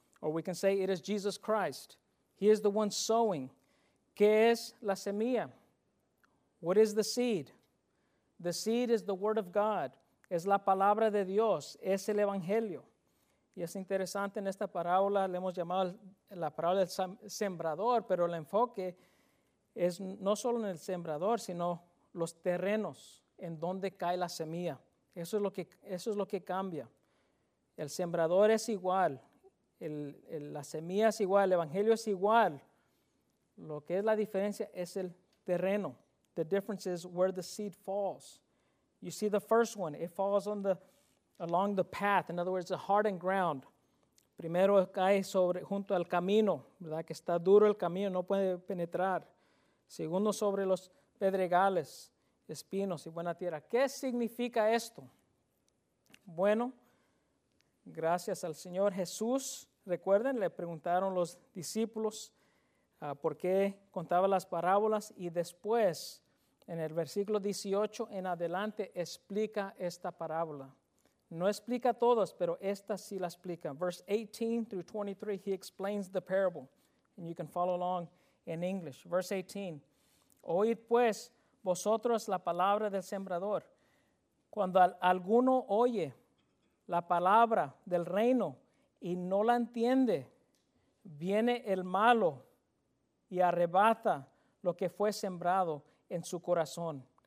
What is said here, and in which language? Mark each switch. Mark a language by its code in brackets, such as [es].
[en] Or we can say it is Jesus Christ. He is the one sowing. [es] ¿Qué es la semilla? [en] What is the seed? The seed is the word of God. [es] Es la palabra de Dios. Es el evangelio. Y es interesante en esta parábola, le hemos llamado la parábola del sembrador, pero el enfoque es no solo en el sembrador, sino los terrenos en donde cae la semilla. Eso es lo que cambia. El sembrador es igual. La semilla es igual. El evangelio es igual. Lo que es la diferencia es el terreno. [en] The difference is where the seed falls. You see the first one. It falls on the along the path. In other words, the hardened ground. [es] Primero cae sobre junto al camino, ¿verdad? Que está duro el camino, no puede penetrar. Segundo, sobre los pedregales, espinos y buena tierra. ¿Qué significa esto? Bueno, gracias al Señor Jesús, recuerden, le preguntaron los discípulos por qué contaba las parábolas, y después, en el versículo 18 en adelante, explica esta parábola. No explica todas, pero esta sí la explica. [en] Verse 18 through 23, he explains the parable, and you can follow along in English. Verse 18, [es] oíd pues vosotros la palabra del sembrador. Cuando alguno oye la palabra del reino y no la entiende, viene el malo y arrebata lo que fue sembrado en su corazón.